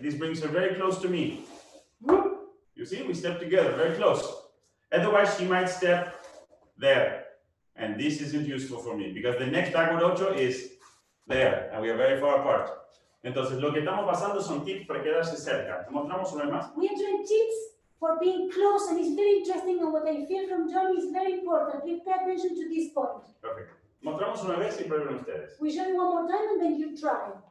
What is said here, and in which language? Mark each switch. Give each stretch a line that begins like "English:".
English: This brings her very close to me. You see, we step together, very close. Otherwise, she might step there. And this isn't useful for me, because the next Dago Docho is there, and we are very far apart.
Spanish: Entonces, lo que estamos pasando son tips para quedarse cerca. ¿Mostramos una vez más?
English: We are doing tips for being close, and it's very interesting, and what I feel from Johnny is very important. Please pay attention to this point.
Spanish: Perfect. Mostramos una vez y prueben ustedes.
English: We show you one more time, and then you try.